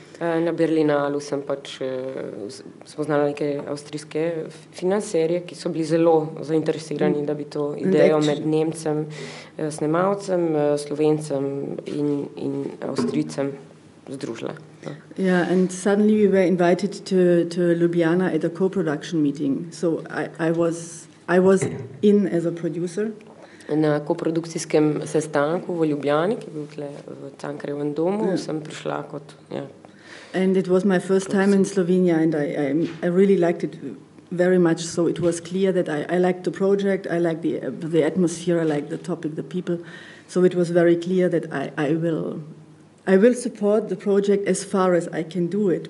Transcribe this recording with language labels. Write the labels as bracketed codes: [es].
[sl] Na Berlinalu sem pač spoznala neke avstrijske financerje, ki so bili zelo zainteresirani, da bi to idejo med Nemcem, snemalcem, Slovencem in Avstrijcem združila. [en] Yeah, and suddenly we were invited to Ljubljana at a co-production meeting. So I was in as a producer. [sl] Na koprodukcijskem sestanku v Ljubljani, ki je bil tle v Cankarjevem domu, sem prišla kot... Ja, [en] and it was my first time in Slovenia and I really liked it very much, so it was clear that I liked the project, I liked the atmosphere, I liked the topic, the people, so it was very clear that I will support the project as far as I can do it.